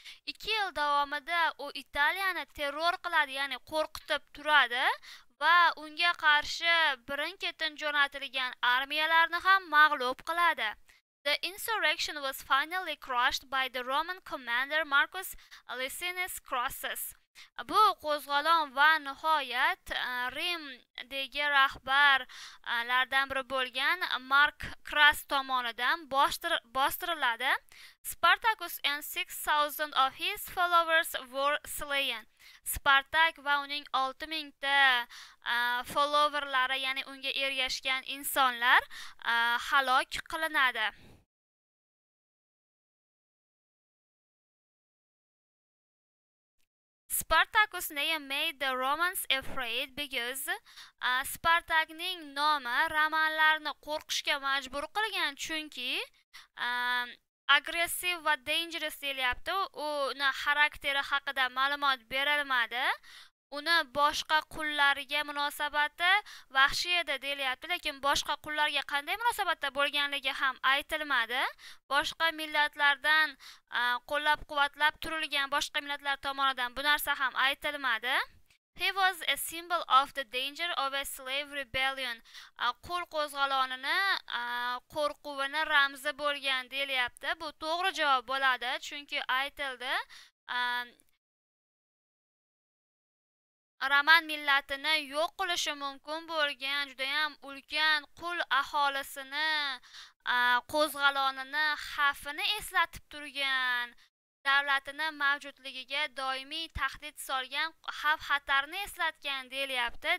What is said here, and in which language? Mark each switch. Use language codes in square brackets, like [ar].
[uz] 2 yil davomida u Italiyani terror qiladi, ya'ni qo'rqitib turadi va unga qarshi birin-ketin jo'natilgan armiyalarni ham mag'lub qiladi. [en] The insurrection was finally crushed by the Roman commander Marcus Licinius Crassus. [uz] Bu qo'zg'alon va nihoyat Rimdagi rahbarlardan biri bo'lgan Mark Crass tomonidan bostiriladi. [en] Spartacus and 6,000 of his followers were slain. [uz] Spartak va uning 6000 ta followerlari, ya'ni unga ergashgan insonlar halok qilinadi. [en] Spartacus name made the Romans afraid because [uz] Spartakning nomi romanlarni qo'rqishga majbur qilgan, chunki agressiv va dangerous deyilyapti. Uni xarakteri haqida ma'lumot berilmadi. Uni boshqa qullariga munosabati vahshiy edi deyilyapti, lekin boshqa qullarga qanday munosabatda bo'lganligi ham aytilmadi. Boshqa millatlardan qo'llab-quvvatlab turilgan boshqa millatlar tomonidan bu narsa ham aytilmadi. [en] He was a symbol of the danger of a slave rebellion. [uz] Qul qo'zg'alonini qo'rquvini ramzi bo'lgan deyilyapti. Bu to'g'ri javob bo'ladi, chunki aytildi. Roman millatini yo'q qilishi mumkin bo'lgan juda ham ulkan qul aholisini qo'zg'alonini xavfini eslatib turgan, davlatini mavjudligiga doimiy tahdid solgan xavf-xatarni eslatgan deyilyapti.